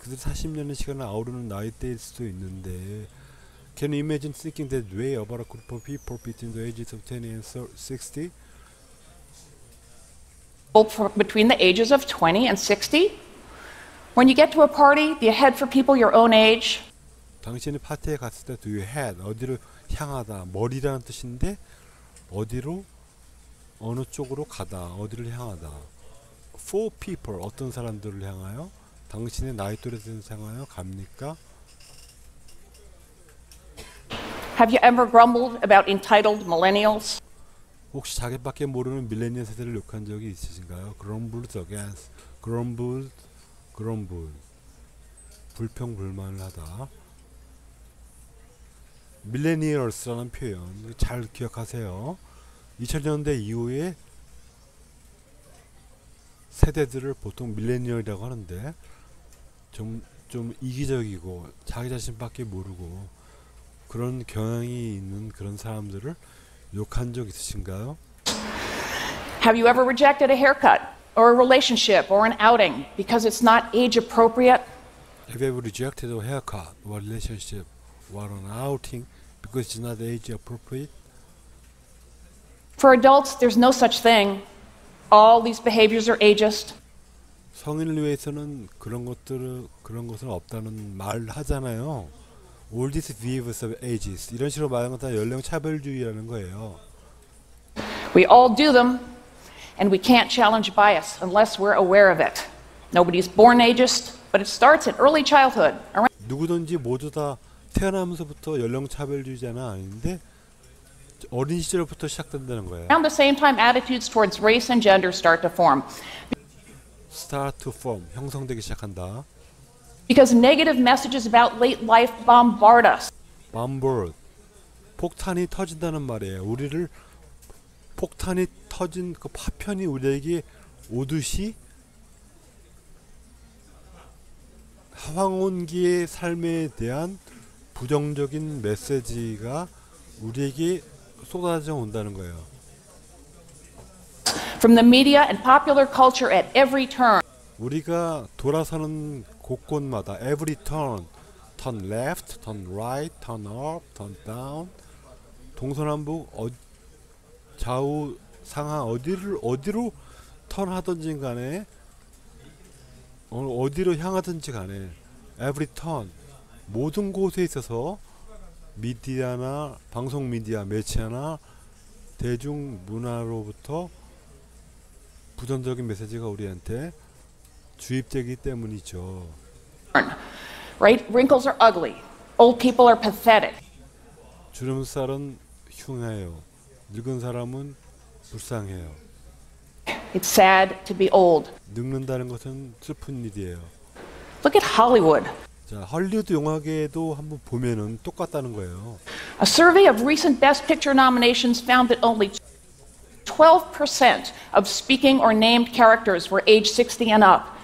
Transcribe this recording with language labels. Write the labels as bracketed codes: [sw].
[ko] 그들 40년의 시간을 아우르는 나이대일 수도 있는데. [en] Can you imagine thinking that way about a group of people between the ages of 20 and 60? Between the ages of 20 and 60? When you get to a party, do you head for people your own age? [ko] 당신이 파티에 갔을 때 [en] do you head? [ko] 어디로 향하다, 머리라는 뜻인데 어디로, 어느 쪽으로 가다, 어디를 향하다. [en] For people, [ko] 어떤 사람들을 향하여? 당신의 나이 또래를 향하여 갑니까? [en] Have you ever grumbled about entitled millennials? [ko] 혹시 자기밖에 모르는 밀레니얼 세대를 욕한 적이 있으신가요? [en] Grumbled against, grumbled, [ko] 불평불만을 하다. Millennials라는 표현 잘 기억하세요. 2000년대 이후에 세대들을 보통 밀레니얼이라고 하는데 좀 이기적이고 자기 자신밖에 모르고 그런 경향이 있는 그런 사람들을 욕한 적 있으신가요? [en] Have you ever rejected a haircut or a relationship or an outing because it's not age appropriate? Have you ever rejected a haircut or relationship or an outing because it's not age appropriate? For adults, there's no such thing. All these behaviors are ageist. [ko] 성인을 위해서는 그런 것은 없다는 말 하잖아요. [en] All these behaviors are ageist. [ko] 이런 식으로 말하는 건 다 연령 차별주의라는 거예요. [en] We all do them, and we can't challenge bias unless we're aware of it. Nobody's born ageist, but it starts in early childhood. [ko] 누구든지 모두 다 태어나면서부터 연령 차별주의자는 아닌데 어린 시절부터 시작된다는 거예요. [en] Around the same time, attitudes towards race and gender start to form. Start to form, [ko] 형성되기 시작한다. [en] Because negative messages about late life bombard us. [ko] Bombard, 폭탄이 터진다는 말이에요. 우리를 폭탄이 터진 그 파편이 우리에게 오듯이 하황온기의 삶에 대한 부정적인 메시지가 우리에게 쏟아져 온다는 거예요. [en] From the media and popular culture at every turn. [ko] 우리가 돌아서는 곳곳마다 [en] every turn, turn left, turn right, turn up, turn down, [ko] 동서남북 좌우 상하 어디로 턴하든지 간에 어디로 향하든지 간에 [en] every turn [ko] 모든 곳에 있어서 미디어나 방송 미디어 매체나 대중 문화로부터 부정적인 메시지가 우리한테 주입되기 때문이죠. [en] Right, wrinkles are ugly. Old people are pathetic. [ko] 주름살은 흉해요. 늙은 사람은 불쌍해요. [en] It's sad to be old. [ko] 늙는다는 것은 슬픈 일이에요. [en] Look at Hollywood. [ko] 자, 할리우드 영화계에도 한번 보면은 똑같다는 거예요. [en] A survey of recent Best Picture nominations found that only 12% of speaking or named characters were age 60 and up.